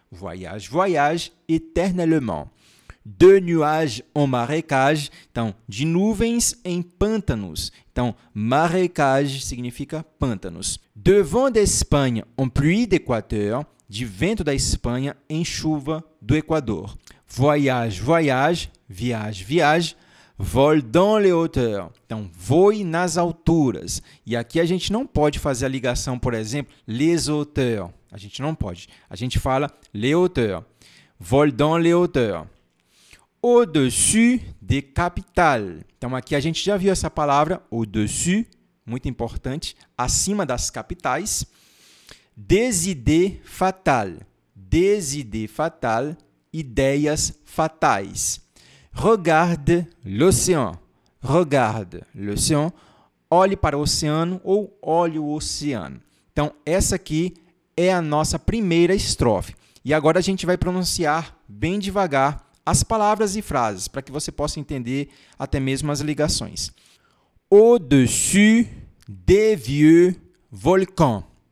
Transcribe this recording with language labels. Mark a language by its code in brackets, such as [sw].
[fr] Voyage, voyage, éternellement. De nuages en marécage, [pt] então, de nuvens em pântanos. Então, marécage significa pântanos. [fr] De vent d'Espagne en pluie d'Équateur, [pt] de vento da Espanha em chuva do Equador. [fr] Voyage, voyage, viage, viage, vol dans les hauteurs. [pt] Então, voe nas alturas. E aqui a gente não pode fazer a ligação, por exemplo, [fr] les hauteurs. [pt] A gente não pode. A gente fala [fr] les hauteurs. Vol dans les hauteurs. Au-dessus des capitales. [pt] Então, aqui a gente já viu essa palavra, au-dessus, muito importante, acima das capitais. [fr] Des idées fatales. Des idées fatales, [pt] ideias fatais. [fr] Regarde l'océan. Regarde l'océan. [pt] Olhe para o oceano ou olhe o oceano. Então, essa aqui é a nossa primeira estrofe. E agora a gente vai pronunciar bem devagar as palavras e frases, para que você possa entender até mesmo as ligações. [fr] Au-dessus des vieux volcans.